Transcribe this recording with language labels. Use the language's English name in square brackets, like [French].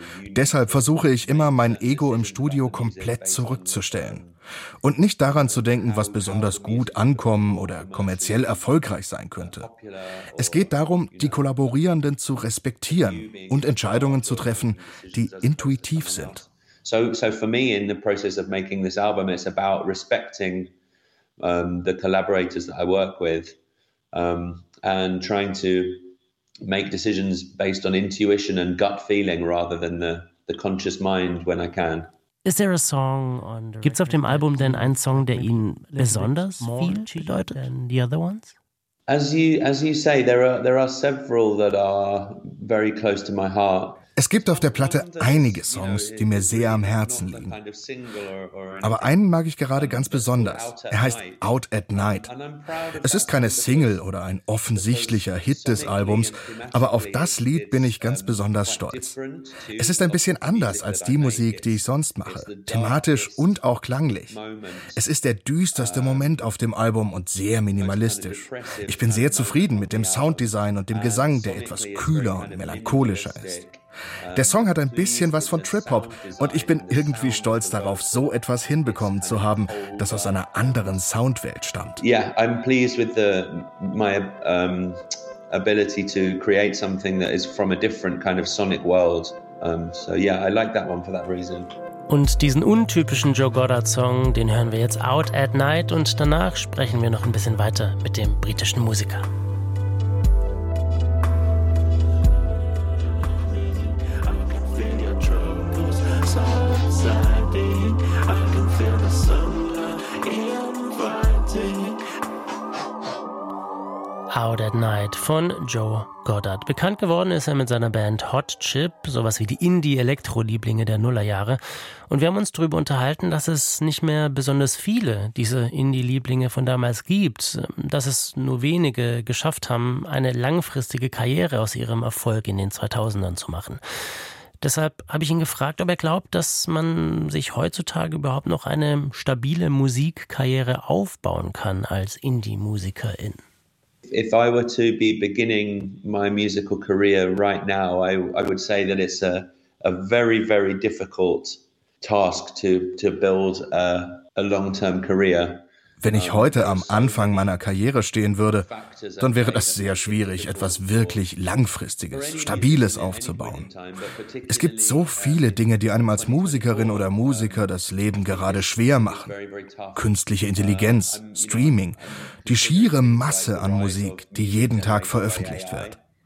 [German] Deshalb versuche ich immer, mein Ego im Studio komplett zurückzustellen und nicht daran zu denken, was besonders gut ankommen oder kommerziell erfolgreich sein könnte. Es geht darum, die Kollaborierenden zu respektieren und Entscheidungen zu treffen, die intuitiv sind. [English] So for me in the process of making this album it's about respecting the collaborators that I work with and trying to make decisions based on intuition and gut feeling rather than the conscious mind when I can. Is there a song on the [German] Gibt's auf dem Album denn einen Song, der Ihnen besonders viel bedeutet [English] than the other ones? As you say, there are several that are very close to my heart. [German] Es gibt auf der Platte einige Songs, die mir sehr am Herzen liegen. Aber einen mag ich gerade ganz besonders. Er heißt Out at Night. Es ist keine Single oder ein offensichtlicher Hit des Albums, aber auf das Lied bin ich ganz besonders stolz. Es ist ein bisschen anders als die Musik, die ich sonst mache, thematisch und auch klanglich. Es ist der düsterste Moment auf dem Album und sehr minimalistisch. Ich bin sehr zufrieden mit dem Sounddesign und dem Gesang, der etwas kühler und melancholischer ist. Der Song hat ein bisschen was von Trip-Hop und ich bin irgendwie stolz darauf, so etwas hinbekommen zu haben, das aus einer anderen Soundwelt stammt. [English] Yeah, I'm pleased with my ability to create something that is from a different kind of sonic world. So yeah, I like that one for that reason. [German] Und diesen untypischen Joe Goddard-Song, den hören wir jetzt Out at Night und danach sprechen wir noch ein bisschen weiter mit dem britischen Musiker. Out at Night von Joe Goddard. Bekannt geworden ist er mit seiner Band Hot Chip, sowas wie die Indie-Elektro-Lieblinge der Nullerjahre. Und wir haben uns darüber unterhalten, dass es nicht mehr besonders viele diese Indie-Lieblinge von damals gibt, dass es nur wenige geschafft haben, eine langfristige Karriere aus ihrem Erfolg in den 2000ern zu machen. Deshalb habe ich ihn gefragt, ob er glaubt, dass man sich heutzutage überhaupt noch eine stabile Musikkarriere aufbauen kann als Indie-Musikerin. [English] If I were to be beginning my musical career right now, I would say that it's a very, very difficult task to build a long-term career. [German] Wenn ich heute am Anfang meiner Karriere stehen würde, dann wäre das sehr schwierig, etwas wirklich Langfristiges, Stabiles aufzubauen. Es gibt so viele Dinge, die einem als Musikerin oder Musiker das Leben gerade schwer machen. Künstliche Intelligenz, Streaming, die schiere Masse an Musik, die jeden Tag veröffentlicht wird.